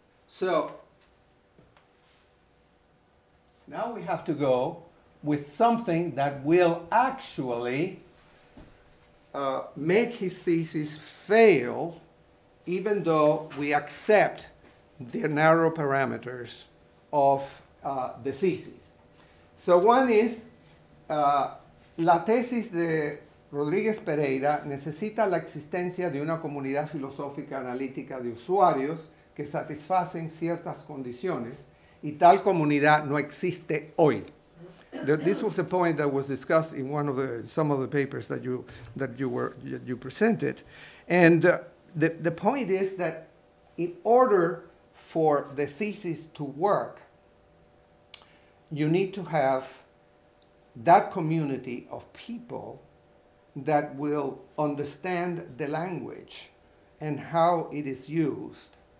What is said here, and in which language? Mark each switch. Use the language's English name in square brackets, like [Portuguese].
[English] So now we have to go with something that will actually make his thesis fail, even though we accept the narrow parameters of the thesis. So one is, [Spanish] la tesis de Rodríguez Pereira necesita la existencia de una comunidad filosófica analítica de usuarios que satisfacen ciertas condiciones, y tal comunidad no existe hoy. [English] This was a point that was discussed in one of the, some of the papers that you presented. And the point is that in order for the thesis to work, you need to have that community of people that will understand the language and how it is used.